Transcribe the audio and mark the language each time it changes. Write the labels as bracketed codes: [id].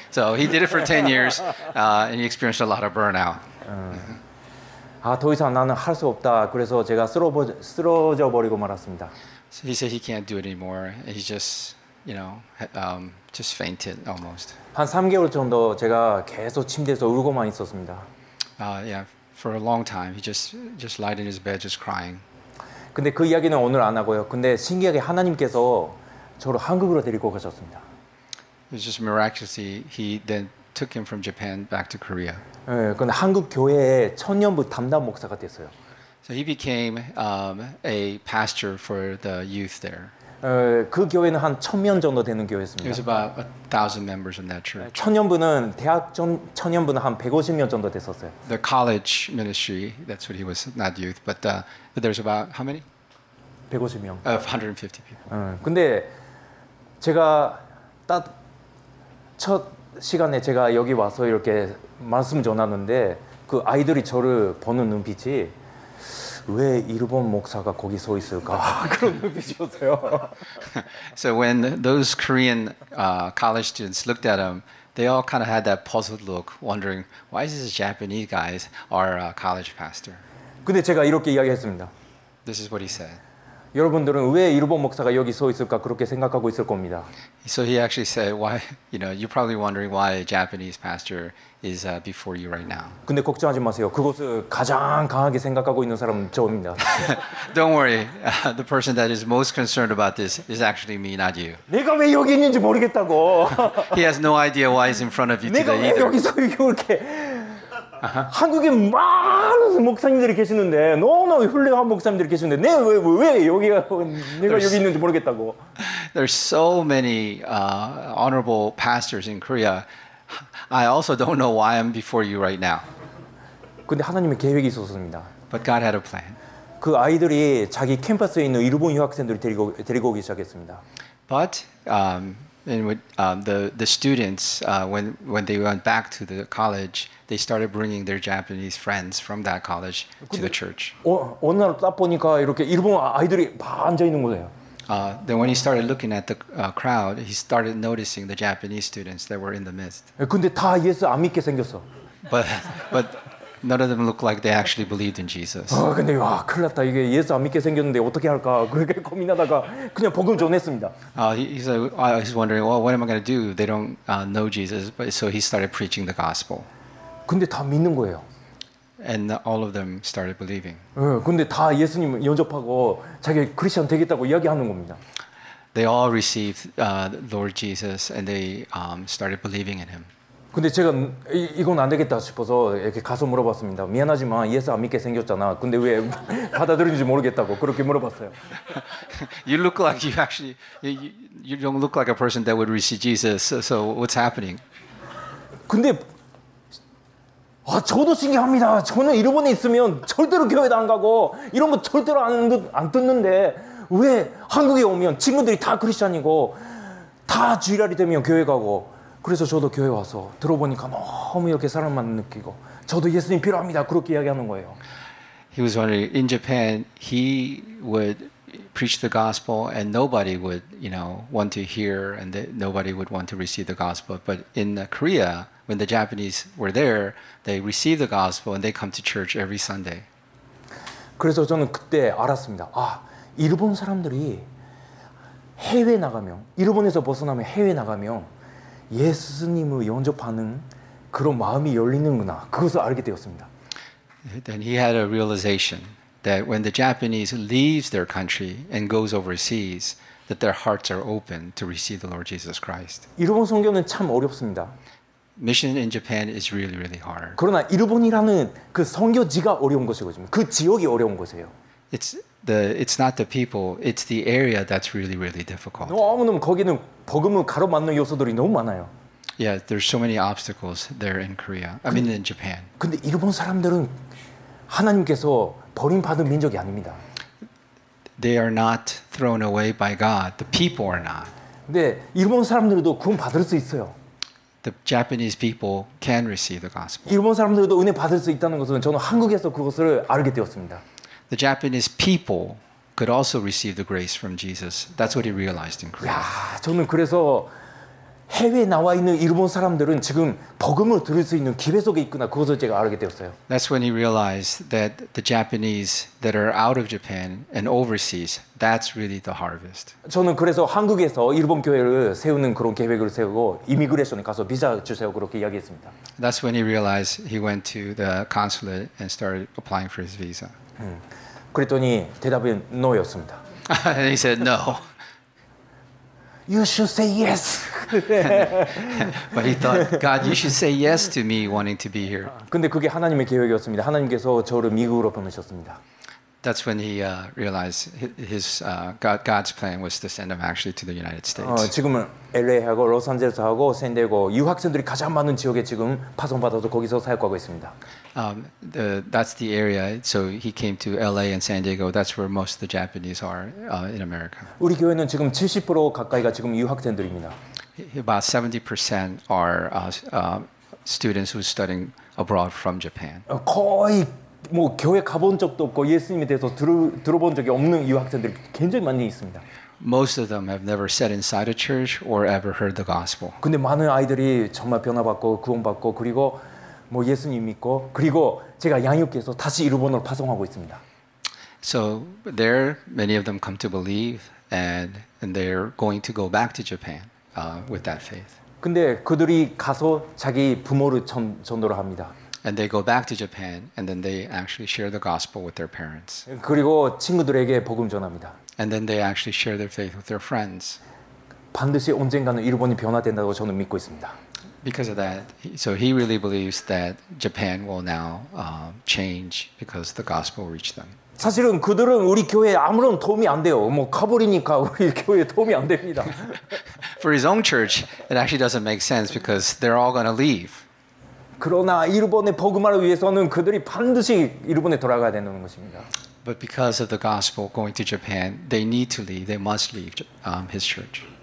[en] So he did it for 10 years and he experienced a lot of burnout. [ko] 아, 더 이상 나는 할 수 없다. 그래서 제가 쓰러져 버리고 말았습니다. [en] So he said he can't do it anymore. He just, you know, just fainted almost. [ko] 한 3개월 정도 제가 계속 침대에서 울고만 있었습니다. [en] For a long time. He just lied in his bed, just crying. [ko] 근데 그 이야기는 오늘 안 하고요. 근데 신기하게 하나님께서 저를 한국으로 데리고 가셨습니다. [en] It's just miraculously he then took him from Japan back to Korea. [ko] 그 한국 교회의 청년부 담당 목사가 됐어요. [en] So he became a pastor for the youth there. [ko] 그 교회는 한 1,000명 정도 되는 교회였습니다. [en] There's about 1,000 members in that church. [ko] 청년부는 대학 청년부는 한 150명 정도 됐었어요. [en] The college ministry, that's what he was, not youth, but there's about how many? [ko] 150명. [en] Of 150 people. [ko] 근데 제가 딱 첫 시간에 제가 여기 와서 이렇게 말씀 전하는데 그 아이들이 저를 보는 눈빛이 왜 일본 목사가 거기 서 있을까 그런 눈빛이었어요. [en] So when those Korean college students looked at him, they all kind of had that puzzled look, wondering why is this Japanese guy our college pastor. [ko] 근데 제가 이렇게 이야기했습니다. [en] This is what he said. [ko] 여러분들은 왜 일본 목사가 여기 서 있을까 그렇게 생각하고 있을 겁니다. [en] So he actually said, "Why? You know, you're probably wondering why a Japanese pastor is before you right now." [ko] 근데 걱정하지 마세요. 그것을 가장 강하게 생각하고 있는 사람은 저입니다. [en] Don't worry. The person that is most concerned about this is actually me, not you. [ko] 내가 왜 여기 있는지 모르겠다고. [en] He has no idea why he's in front of you today. [ko] 내가 왜 [en] either. [ko] 여기서 이렇게. Uh-huh. 한국에 많은 목사님들이 계시는데 너무너무 훌륭한 목사님들이 계시는데 내가 여기 있는지 모르겠다고. [en] There's so many honorable pastors in Korea. I also don't know why I'm before you right now. [ko] 근데 하나님의 계획이 있었습니다. [en] But God had a plan. [ko] 그 아이들이 자기 캠퍼스에 있는 일본 유학생들을 데리고 오기 시작했습니다. [en] But and with the students when they went back to the college, they started bringing their Japanese friends from that college to the church. [ko] 어느 날 딱 보니까 이렇게 일본 아이들이 막 앉아 있는 거예요. [en] Then when he started looking at the crowd, he started noticing the Japanese students that were in the midst. [ko] 근데 다 예수 안 믿게 생겼어. [en] But none of them looked like they actually believed in Jesus. [ko] 근데 와, 큰일 났다. 이게 예수 안 믿게 생겼는데 어떻게 할까? 그렇게 고민하다가 그냥 복음 전했습니다. [en] He's wondering, well, what am I going to do? They don't know Jesus, but so he started preaching the gospel. [ko] 근데 다 믿는 거예요. [en] And all of them started believing. [ko] 근데 다 예수님 영접하고 자기 크리스천 되겠다고 이야기하는 겁니다. [en] They all received Lord Jesus and they started believing in him. [ko] 근데 제가 이건 안 되겠다 싶어서 이렇게 가서 물어봤습니다. 미안하지만 예수 안 믿게 생겼잖아. 근데 왜 받아들이는지 모르겠다고 그렇게 물어봤어요. [en] You look like you actually you don't look like a person that would receive Jesus. So what's happening? [ko] 근데 저도 신기합니다. 저는 일본에 있으면 절대로 교회도 안 가고 이런 거 절대로 안 듣는데 왜 한국에 오면 친구들이 다 크리스천이고 다 주일날이 되면 교회 가고. 그래서 저도 교회 와서 들어보니까 너무 이렇게 사람만 느끼고 저도 예수님 필요합니다. 그렇게 이야기하는 거예요. [en] He was wondering, in Japan, he would preach the gospel and nobody would, you know, want to hear and nobody would want to receive the gospel. But in Korea, when the Japanese were there, they received the gospel and they come to church every Sunday. [ko] 그래서 저는 그때 알았습니다. 아, 일본 사람들이 해외 나가면, 일본에서 벗어나면 해외 나가면 예수님을 영접하는 그런 마음이 열리는구나. 그것을 알게 되었습니다. [en] Then he had a realization that when the Japanese leaves their country and goes overseas, that their hearts are open to receive the Lord Jesus Christ. [ko] 일본 선교는 참 어렵습니다. [en] Mission in Japan is really, really hard. [ko] 그러나 일본이라는 그 선교지가 어려운 것이거든요. 그 지역이 어려운 것이에요. [en] It's not the people, it's the area that's really, really difficult. [ko] 너무너무 거기는 복음을 가로막는 요소들이 너무 많아요. [en] Yeah, there's so many obstacles there in Korea. I mean, in Japan. [ko] 근데 일본 사람들은 하나님께서 버림받은 민족이 아닙니다. [en] They are not thrown away by God. The people are not. [ko] 근데 일본 사람들도 구원 받을 수 있어요. [en] The Japanese people can receive the gospel. [ko] 일본 사람들도 은혜 받을 수 있다는 것은 저는 한국에서 그것을 알게 되었습니다. [en] The Japanese people could also receive the grace from Jesus. That's what he realized in Korea. [ko] 야, 저는 그래서 해외 나와 있는 일본 사람들은 지금 복음을 들을 수 있는 기회 속에 있구나. 그것을 제가 알게 되었어요. [en] That's when he realized that the Japanese that are out of Japan and overseas, that's really the harvest. [ko] 저는 그래서 한국에서 일본 교회를 세우는 그런 계획을 세우고 이미그레이션에 가서 비자 주세요. 그렇게 이야기했습니다. [en] That's when he realized he went to the consulate and started applying for his visa. [ko] 그랬더니 대답은 no였습니다. [en] And he said no. You should say yes. But he thought, God, you should say yes to me wanting to be here. [ko] 근데 그게 하나님의 계획이었습니다. 하나님께서 저를 미국으로 보내셨습니다. [en] That's when he realized his God's plan was to send him actually to the United States. [ko] 지금은 LA하고 로스앤젤레스하고 샌디에고 유학생들이 가장 많은 지역에 지금 파송받아서 거기서 사역하고 있습니다. [en] That's the area. So he came to LA and San Diego. That's where most of the Japanese are in America. [ko] 우리 교회는 지금 70% 가까이가 지금 유학생들입니다. [en] About 70% are students who are studying abroad from Japan. [ko] 거의 뭐 교회 가본 적도 없고 예수님에 대해서 들어본 적이 없는 유학생들 굉장히 많이 있습니다. [en] Most of them have never sat inside a church or ever heard the gospel. [ko] 근데 많은 아이들이 정말 변화받고 구원받고 그리고 뭐 예수님 믿고 그리고 제가 양육해서 다시 일본으로 파송하고 있습니다. [en] So there many of them come to believe and they're going to go back to Japan with that faith. [ko] 근데 그들이 가서 자기 부모를 전도를 합니다. [en] And they go back to Japan and then they actually share the gospel with their parents. [ko] 그리고 친구들에게 복음 전합니다. [en] And then they actually share their faith with their friends. [ko] 반드시 언젠가는 일본이 변화된다고 저는 믿고 있습니다. [en] Because of that, so he really believes that Japan will now change because the gospel reached them. [ko] 사실은 그들은 우리 교회에 아무런 도움이 안 돼요. 뭐 가버리니까 우리 교회에 도움이 안 됩니다. [en] For his own church, it actually doesn't make sense because they're all going to leave. [ko] 그러나 일본의 복음화를 위해서는 그들이 반드시 일본에 돌아가야 되는 것입니다. [en] But because of the gospel going to Japan, they need to leave. They must leave his church.